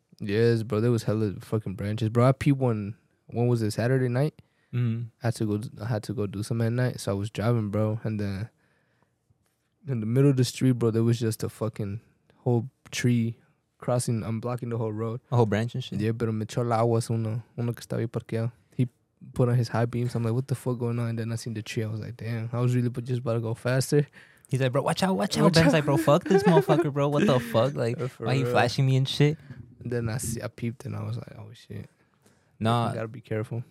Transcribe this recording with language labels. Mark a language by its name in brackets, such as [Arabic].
[English] Yes, bro. There was hella fucking branches, bro. I peeped one. When was it? Saturday night. Mm. I had to go do something at night. So I was driving, bro. And then in the middle of the street, bro, there was just a fucking whole tree crossing, unblocking the whole road. A whole branch and shit. [Spanish] Yeah, pero me echó el agua uno que estaba ahí parqueado. [English] He put on his high beams. I'm like, what the fuck going on? And then I seen the tree. I was like, damn, I was really just about to go faster. He's like, bro, watch out. Ben's like, bro, fuck this motherfucker, bro. What the fuck? Like, for why are you flashing me and shit? And then I peeped and I was like, oh shit. Nah, you gotta be careful.